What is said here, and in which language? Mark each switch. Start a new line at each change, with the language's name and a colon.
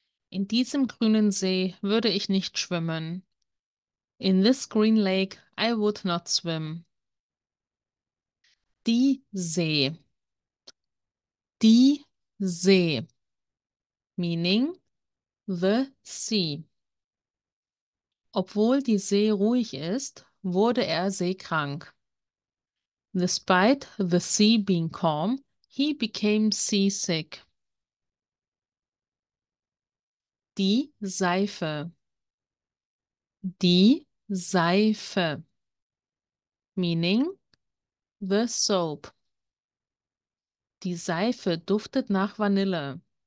German: In diesem grünen See würde ich nicht schwimmen.
English: In this green lake I would not swim.
German: Die See. Die See.
English: Meaning the sea.
German: Obwohl die See ruhig ist, wurde er seekrank.
English: Despite the sea being calm, he became seasick.
German: Die Seife. Die Seife.
English: Meaning the soap.
German: Die Seife duftet nach Vanille.